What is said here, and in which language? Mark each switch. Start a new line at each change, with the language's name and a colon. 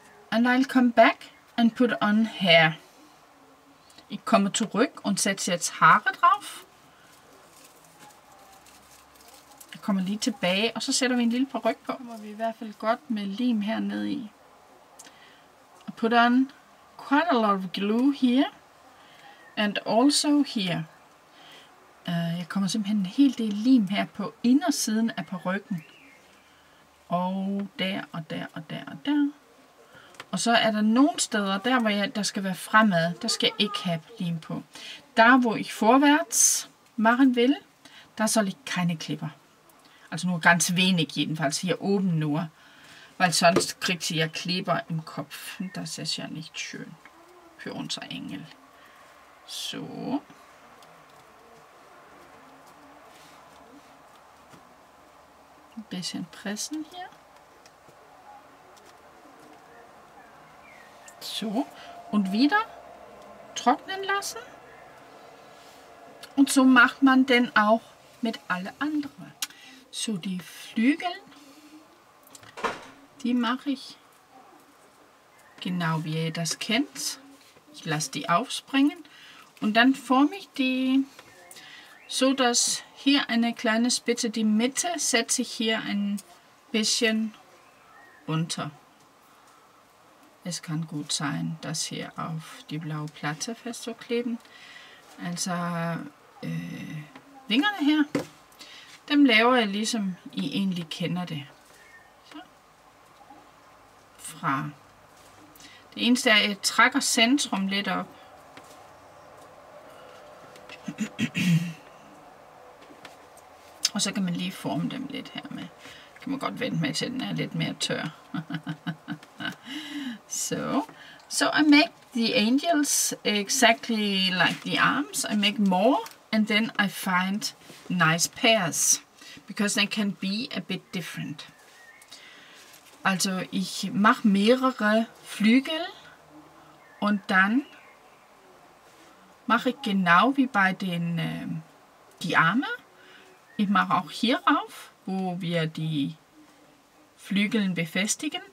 English: And I'll come back and put on hair.
German: Ich komme zurück und setze jetzt Haare drauf.
Danish: Jeg kommer lige tilbage, og så sætter vi en lille peruk på. Kommer vi i hvert fald godt med lim hernede i.
English: I put on quite a lot of glue here. And also here.
Danish: Jeg kommer simpelthen en hel del lim her på indersiden af parykken. Og der, og der, og der, og der. Og så er der nogle steder, der hvor jeg, der skal være fremad, der skal jeg ikke have lim på. Der hvor
German: ich vorwärts machen will, der soll ich keine klipper. Altså nur ganz wenig jedenfalls, hier oben nur. Weil sonst kriegt sie ja klipper im Kopf. Das ist ja nicht schön für unser Engel. So. bisschen pressen hier. So, und wieder trocknen lassen. Und so macht man denn auch mit alle anderen. So, die Flügel, die mache ich genau wie ihr das kennt. Ich lasse die aufspringen und dann forme ich die so, dass hier eine kleine Spitze, die Mitte, setze ich hier ein bisschen unter. Es kann gut sein, das hier auf die blaue Platte festzukleben.
Danish: Also Wingerne her, dem laver jeg ligesom I egentlig kender det. Så. Fra. Det eneste er, at jeg trækker centrum lidt op. Og så kan man lige forme dem lidt her med. Kan man godt vente med, til den er lidt mere tør. Så.
English: So I make the angels exactly like the arms. I make more. And then I find nice pairs, because they can be a bit different.
German: Also ich mache mehrere Flügel und dann mache ich genau wie bei den die Arme. Ich mache auch hier rauf, wo wir die Flügel befestigen.